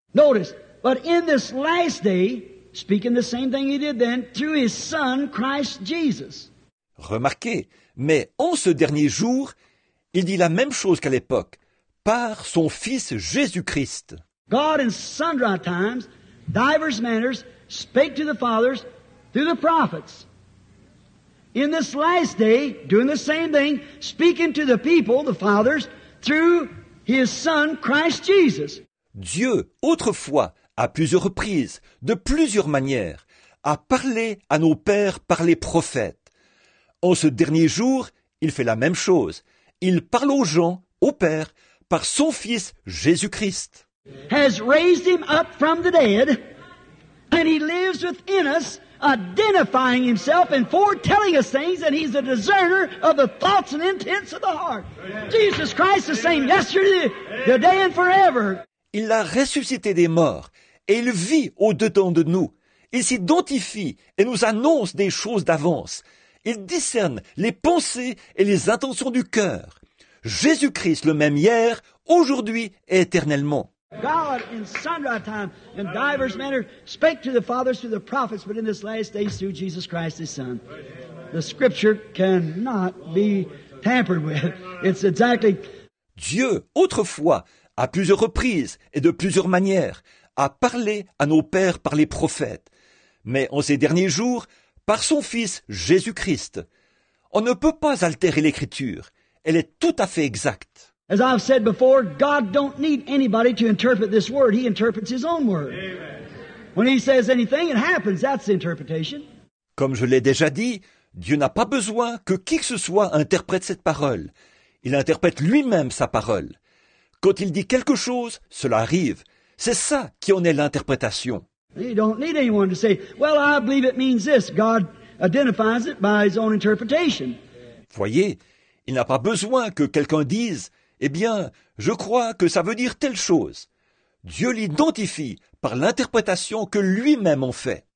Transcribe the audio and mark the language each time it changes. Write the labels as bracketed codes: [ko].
[en] Notice, but in this last day, speaking the same thing he did then, through his son, Christ Jesus. [fr] Remarquez, mais en ce dernier jour, il dit la même chose qu'à l'époque, par son fils Jésus-Christ. [en] God in sundry times, divers manners, spake to the fathers through the prophets. In this last day, doing the same thing, speaking to the people, the fathers, through his son, Christ Jesus. [fr] Dieu, autrefois, à plusieurs reprises, de plusieurs manières, a parlé à nos pères par les prophètes. En ce dernier jour, il fait la même chose. Il parle aux gens, aux pères, par son fils Jésus-Christ. [en] Has raised him up from the dead, and he lives within us, identifying himself and foretelling us things, and he's a discerner of the thoughts and intents of the heart. Jesus Christ, the same yesterday, today, and forever. [fr] Il l'a ressuscité des morts, et il vit au-dedans de nous. Il s'identifie et nous annonce des choses d'avance. Il discerne les pensées et les intentions du cœur. Jésus-Christ, le même hier, aujourd'hui et éternellement. [en] God, in sundry time, in divers manner, spake to the fathers through the prophets, but in this last day through Jesus Christ, his son. The scripture cannot be tampered with. It's exactly... [fr] Dieu, autrefois, à plusieurs reprises et de plusieurs manières, a parlé à nos pères par les prophètes. Mais en ces derniers jours, par son fils Jésus-Christ. On ne peut pas altérer l'écriture. Elle est tout à fait exacte. [en] As I've said before, God don't need anybody to interpret this word. He interprets his own word. Amen. When he says anything, it happens. That's the interpretation. [fr] Comme je l'ai déjà dit, Dieu n'a pas besoin que qui que ce soit interprète cette parole. Il interprète lui-même sa parole. Quand il dit quelque chose, cela arrive. C'est ça qui en est l'interprétation. [en] You don't need anyone to say, well, I believe it means this. God identifies it by his own interpretation. [fr] Voyez, il n'a pas besoin que quelqu'un dise, eh bien, je crois que ça veut dire telle chose. Dieu l'identifie par l'interprétation que lui-même en fait.